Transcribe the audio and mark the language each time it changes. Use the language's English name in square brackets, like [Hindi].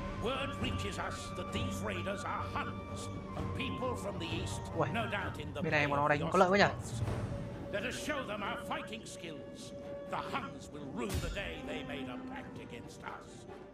[English] Word reaches us that these raiders are Huns, a people from the east. No doubt in the. [Vietnamese] Bên này bọn nó đánh có lợi quá nhỉ. [English] Let us show them our fighting skills. The Huns will rue the day they made a pact against us.